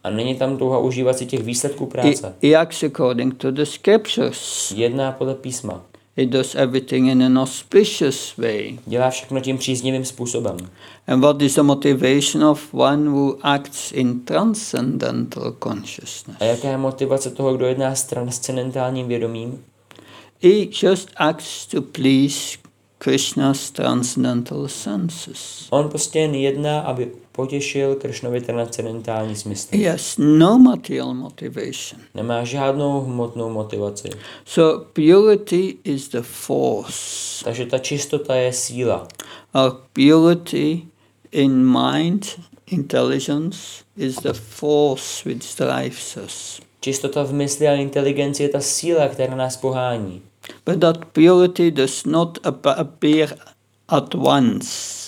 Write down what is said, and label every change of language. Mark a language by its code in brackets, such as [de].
[cs] A není tam touha užívat si těch výsledků práce. [en] It acts according to the scriptures. [cs] Jedná podle písma. [en] It does everything in an auspicious way. [cs] Dělá všechno tím příznivým způsobem. [en] And what is the motivation of one who acts in transcendental consciousness? [cs] A jaká je motivace toho, kdo jedná s transcendentálním vědomím? [en] He just acts to please Krishna's transcendental senses. [cs] On prostě jen jedná, aby potěšil Krishnovi transcendentální smysl. [en] Yes, no material motivation. [cs] Nemá žádnou hmotnou motivaci. [en] So purity is the force. [cs] Takže ta čistota je síla. [en] Our purity in mind, intelligence is the force which drives us. [cs] Čistota v mysli a inteligenci je ta síla, která nás pohání. [en] But that purity does not appear at once.